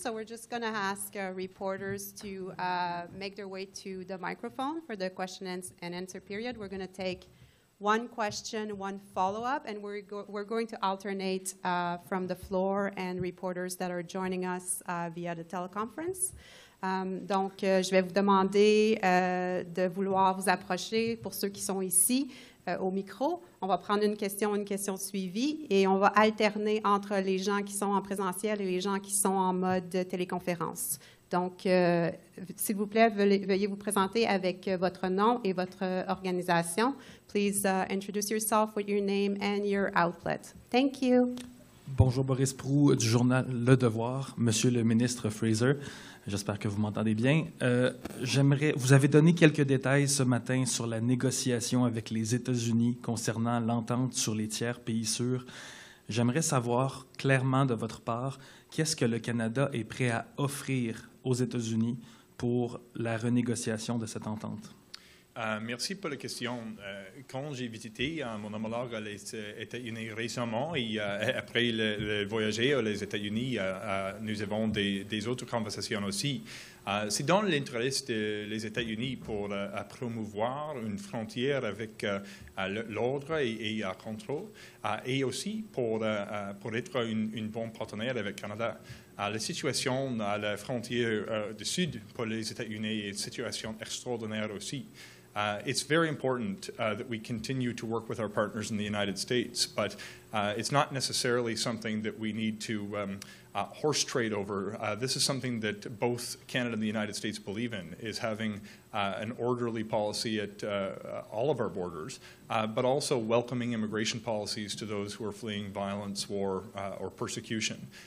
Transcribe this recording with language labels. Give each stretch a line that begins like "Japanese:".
English: So we're just going to ask reporters to make their way to the microphone for the question and answer period. We're going to take one question, one follow-up, and we're going to alternate from the floor and reporters that are joining us via the teleconference.
French: Donc, je vais vous demander de vouloir vous approcher pour ceux qui sont ici au micro. On va prendre une question suivie, et on va alterner entre les gens qui sont en présentiel et les gens qui sont en mode téléconférence. Donc, s'il vous plaît, veuillez vous présenter avec votre nom et votre organisation. Please introduce yourself with your name and your outlet. Thank you. Bonjour, Boris Proulx du journal Le Devoir. Monsieur le ministre Fraser, j'espère que vous m'entendez bien. Vous avez donné quelques détails ce matin sur la négociation avec les États-Unis concernant l'entente sur les tiers pays sûrs. J'aimerais savoir clairement de votre part, qu'est-ce que le Canada est prêt à offrir aux États-Unis pour la renégociation de cette entente? Merci pour la question. Quand j'ai visité mon homologue aux États-Unis récemment, et après le voyage aux États-Unis, nous avons des autres conversations aussi. C'est dans l'intérêt des États-Unis pour promouvoir une frontière avec l'ordre et le contrôle, et aussi pour être un bon partenaire avec le Canada. à la situation à la frontière du sud pour les États-Unis est une situation extraordinaire aussi.
English: It's very important that we continue to work with our partners in the United States, but it's not necessarily something that we need to horse trade over. This is something that both Canada and the United States believe in, is having an orderly policy at all of our borders, but also welcoming immigration policies to those who are fleeing violence, war, or persecution.